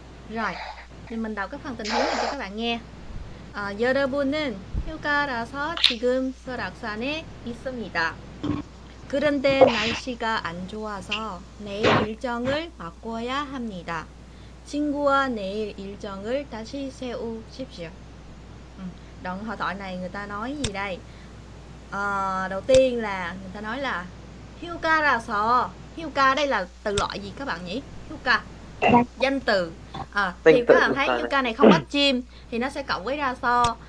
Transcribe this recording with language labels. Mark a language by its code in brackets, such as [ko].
[vi] Rồi, thì mình đọc cái phần tình huống này cho các bạn nghe. [ko] 여러분은 휴가라서 지금 설악산에 있습니다. 그런데 날씨가 안 좋아서 내일 일정을 바꿔야 합니다. 친구와 내일 일정을 다시 세우십시오. [vi] Đoạn hội thoại này người ta nói gì đây? Đầu tiên là người ta nói là Hyukarasa. Hyuka đây là từ loại gì các bạn nhỉ? Hyuka, danh từ. Thì các bạn thấy Hyuka này không có chim thì nó sẽ cộng với ra so.